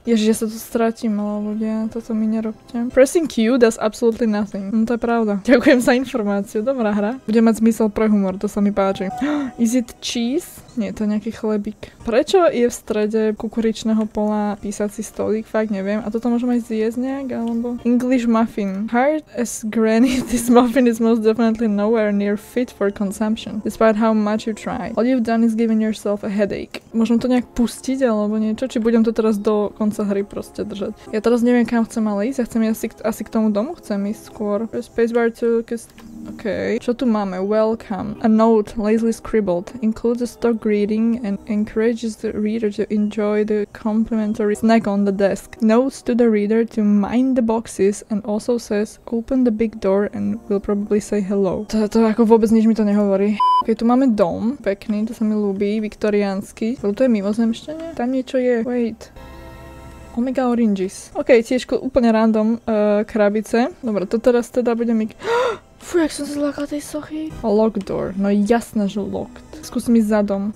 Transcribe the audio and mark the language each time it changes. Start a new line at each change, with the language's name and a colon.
Slovak: Ježiš, ja sa tu stratím, malo ľudia, toto mi nerobte.
English: Pressing Q does absolutely nothing.
Slovak: No to je pravda. Ďakujem za informáciu, dobrá hra. Bude mať zmysel pre humor, to sa mi páči.
English: Is it cheese?
Slovak: Nie, to je nejaký chlebík. Prečo je v strede kukuričného pola písací stolík? Fakt neviem. A toto môžem aj zjesť nejak, alebo...
English: English muffin. Hard as granite, this muffin is most definitely nowhere near fit for consumption, despite how much you try. All you've done is giving yourself a headache.
Slovak: Môžem to nejak pustiť, alebo niečo? Či budem to teraz do konca hry proste držať? Ja teraz neviem, kam chcem ale ísť. Ja chcem asi k tomu domu, chcem ísť skôr. Spacebar to... OK. Čo tu máme?
English: Welcome. A note, lazily scribbled, includes a stock greeting and encourages the reader to enjoy the complimentary snack on the desk. Notes to the reader to mind the boxes and also says, open the big door and will probably say hello.
Slovak: To ako vôbec nič mi to nehovorí. OK, tu máme dom. Pekný, to sa mi ľúbi. Viktoriánsky. To je mimozemštenie? Tam niečo je.
English: Wait. Omega oranges.
Slovak: OK, tiež úplne random krabice. Dobre, to teraz teda bude mi... Fú, jak som sa zlákala tej sochy.
English: A locked door.
Slovak: No jasné, že locked. Skúsim ísť za dom.